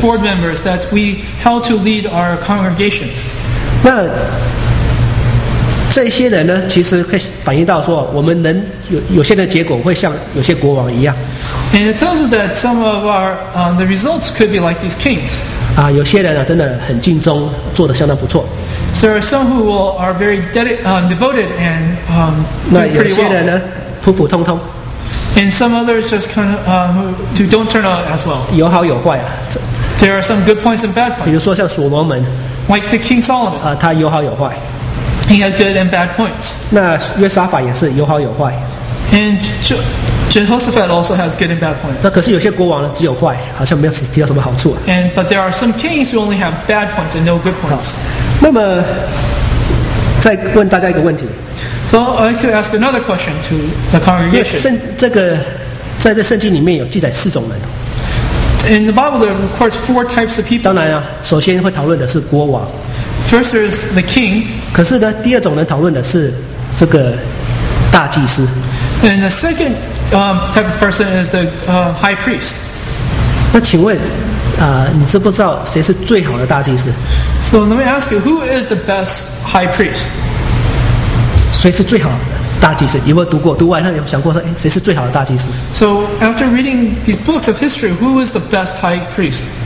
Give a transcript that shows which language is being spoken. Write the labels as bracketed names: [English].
[English] board members, that we how to lead our congregation. [Chinese] 那这些人呢，其实可以反映到说，我们人有些的结果会像有些国王一样。 [English] And it tells us that some of our the results could be like these kings. [Chinese] 啊，有些人啊，真的很尽忠，做得相当不错。 [English] So there are some who are very devoted and do pretty well. [Chinese] 那有些人呢，普普通通。 [English] And some others just kind of who don't turn out as well. [Chinese] 有好有坏啊。 [English] There are some good points and bad points. [Chinese] 比如说像所罗门。 [English] Like the King Solomon. [Chinese] 啊，他有好有坏。 [English] He had good and bad points. [Chinese] 那约沙法也是有好有坏。 [English] And Jehoshaphat also has good and bad points. [Chinese] 那可是有些国王呢，只有坏，好像没有提到什么好处、啊。 [English] And but there are some kings who only have bad points and no good points. [Chinese] 那么再问大家一个问题。 [English] So I'd like to ask another question to the congregation. [Chinese] 在这圣经里面有记载四种人。 [English] In the Bible, there are of course four types of people. [Chinese] 当然啊，首先会讨论的是国王。 [English] First is the king. [Chinese] 可是呢，第二种人讨论的是这个大祭司。 [English] And the second type of person is the high priest. [Chinese] 那请问，你知不知道谁是最好的大祭司 [English] ？So let me ask you, who is the best high priest? [Chinese] 谁是最好的大祭司？有没有读过？读完后有想过说，谁是最好的大祭司 [English] ？So after reading these books of history, who is the best high priest?